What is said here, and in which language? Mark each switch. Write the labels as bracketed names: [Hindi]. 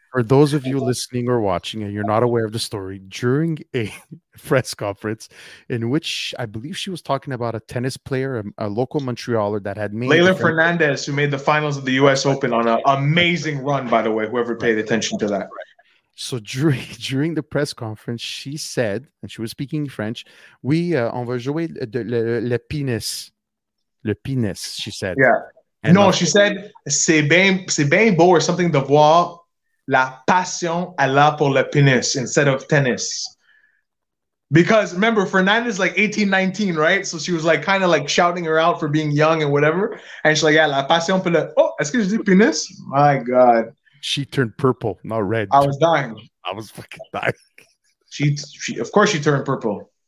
[English] For those of you listening or watching and you're not aware of the story, during a press conference in which I believe she was talking about a tennis player, a local Montrealer that had made... Leila Fernandez, who made the finals of the U.S. Open on an amazing run, by the way, whoever paid attention to that. So during the press conference, she said, and she was speaking French, [French] oui, on va jouer le pénis. Le pénis, [English] she said. Yeah. And no, she said, [French] c'est bien beau [English] or something [French] de voir... La passion à la pour le pénis [English] instead of tennis. Because remember, Fernandez is like 18, 19, right? So she was like kind of like shouting her out for being young and whatever. And she's like, yeah, [French] la passion pour le... [English] Oh, excuse me, pénis? My God. She turned purple, not red. I was dying. I was fucking dying. She of course she turned purple.